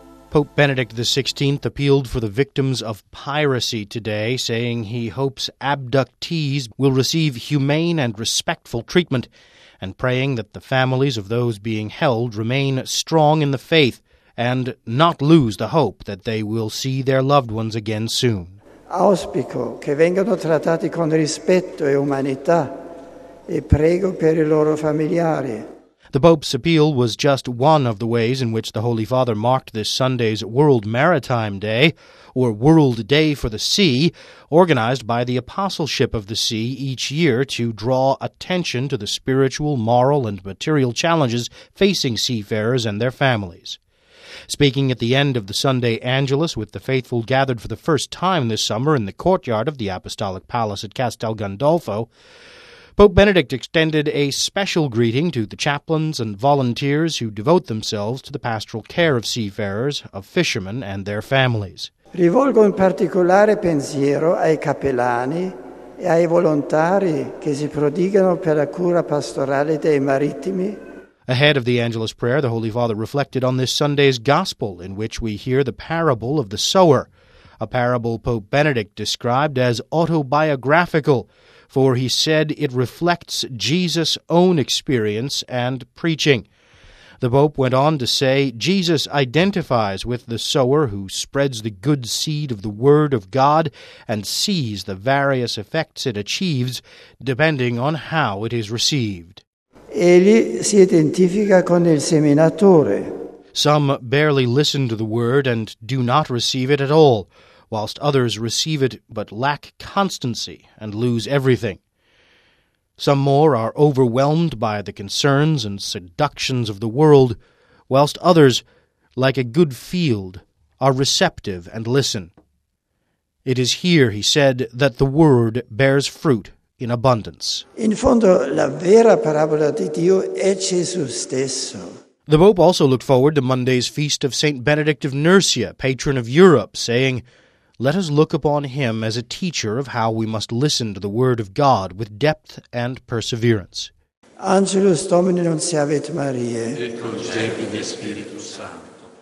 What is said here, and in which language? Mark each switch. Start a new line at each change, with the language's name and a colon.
English: Pope Benedict XVI appealed for the victims of piracy today, saying he hopes abductees will receive humane and respectful treatment, and praying that the families of those being held remain strong in the faith and not lose the hope that they will see their loved ones again soon.
Italian: Auspico che vengano trattati con rispetto e umanità e prego per i loro familiari.
English: The Pope's appeal was just one of the ways in which the Holy Father marked this Sunday's World Maritime Day, or World Day for the Sea, organized by the Apostleship of the Sea each year to draw attention to the spiritual, moral, and material challenges facing seafarers and their families. Speaking at the end of the Sunday Angelus with the faithful gathered for the first time this summer in the courtyard of the Apostolic Palace at Castel Gandolfo, Pope Benedict extended a special greeting to the chaplains and volunteers who devote themselves to the pastoral care of seafarers, of fishermen, and their families.
Italian: Rivolgo un particolare pensiero ai capellani e ai volontari che si prodigano per la cura pastorale dei marittimi.
English: Ahead of the Angelus prayer, the Holy Father reflected on this Sunday's Gospel, in which we hear the parable of the sower, a parable Pope Benedict described as autobiographical, for he said it reflects Jesus' own experience and preaching. The Pope went on to say Jesus identifies with the sower who spreads the good seed of the Word of God and sees the various effects it achieves depending on how it is received.
Italian: Egli si identifica con il seminatore.
English: Some barely listen to the Word and do not receive it at all, whilst others receive it but lack constancy and lose everything. Some more are overwhelmed by the concerns and seductions of the world, whilst others, like a good field, are receptive and listen. It is here, he said, that the word bears fruit in abundance.
Italian: In fondo, la vera parabola di Dio è Gesù stesso.
English: The Pope also looked forward to Monday's feast of Saint Benedict of Nursia, patron of Europe, saying, let us look upon him as a teacher of how we must listen to the Word of God with depth and perseverance.
Latin: Angelus Domini nunciavit Mariae. Et concepit Spiritus Sancto.